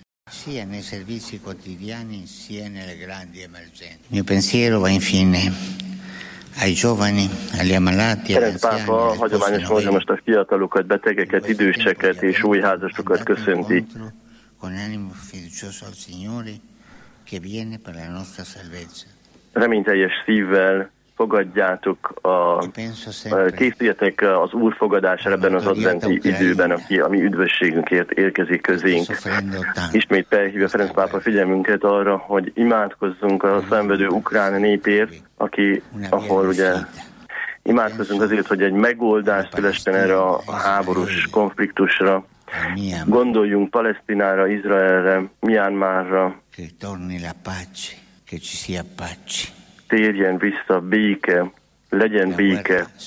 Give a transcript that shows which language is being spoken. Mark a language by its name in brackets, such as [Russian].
[Italian] Sia nei servizi quotidiani sia nelle grandi emergenze. Il mio pensiero va infine ai giovani, agli ammalati, agli anziani. [Hungarian] Hagyományos módon most a fiatalokat, betegeket, időseket és új házasokat köszönti. [Italian] Con animo fiducioso al Signore che viene per la nostra salvezza. [Hungarian] Reményteljes szívvel fogadjátok, készüljetek az Úr fogadására ebben az adventi időben, aki a mi üdvösségünkért érkezik közénk. Ismét felhívja Ferenc pápa figyelmünket arra, hogy imádkozzunk a szenvedő ukrán népért, aki, ahol ugye imádkozzunk azért, hogy egy megoldást szülessen erre a háborús konfliktusra. Gondoljunk Palesztinára, Izraelre, Myanmarra. [Italian] Che torni la pace, che ci sia pace. [Hungarian] Térjen vissza béke, legyen béke.